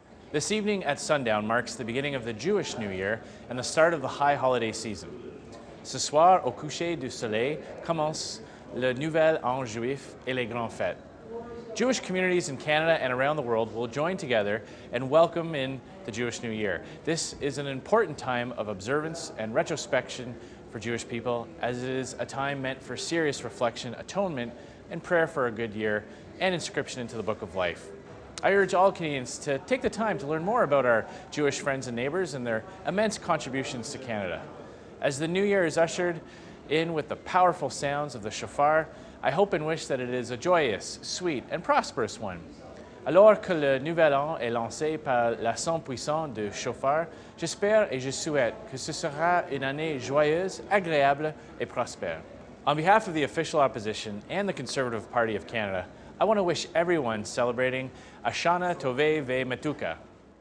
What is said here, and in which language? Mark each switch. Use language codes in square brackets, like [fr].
[en] This evening at sundown marks the beginning of the Jewish New Year and the start of the high holiday season. [fr] Ce soir au coucher du soleil commence le nouvel an juif et les grandes fêtes. [en] Jewish communities in Canada and around the world will join together and welcome in the Jewish New Year. This is an important time of observance and retrospection for Jewish people, as it is a time meant for serious reflection, atonement, and prayer for a good year, and inscription into the Book of Life. I urge all Canadians to take the time to learn more about our Jewish friends and neighbors and their immense contributions to Canada. As the New Year is ushered in with the powerful sounds of the shofar, I hope and wish that it is a joyous, sweet, and prosperous one. [fr] Alors que le nouvel an est lancé par la son puissant du shofar, j'espère et je souhaite que ce sera une année joyeuse, agréable et prospère. [en] On behalf of the official opposition and the Conservative Party of Canada, I want to wish everyone celebrating Hachana Tove Ve Matuka.